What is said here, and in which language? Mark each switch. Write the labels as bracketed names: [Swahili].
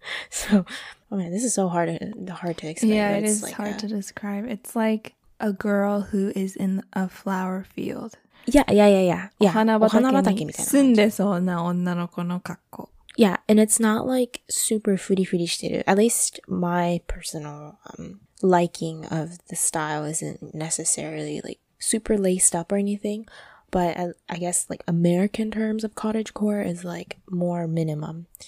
[English] So, oh man, this is so hard to explain. Yeah, it is like hard to describe. It's like a girl who is in a flower field. Yeah. [Japanese] お花畑に住んでそうな女の子の格好。 [English] Yeah, and it's not like super [Japanese] furi-furi-shiteru. [English] At least my personal liking of the style isn't necessarily like super laced up or anything. But I guess like American terms of cottagecore is like more minimum.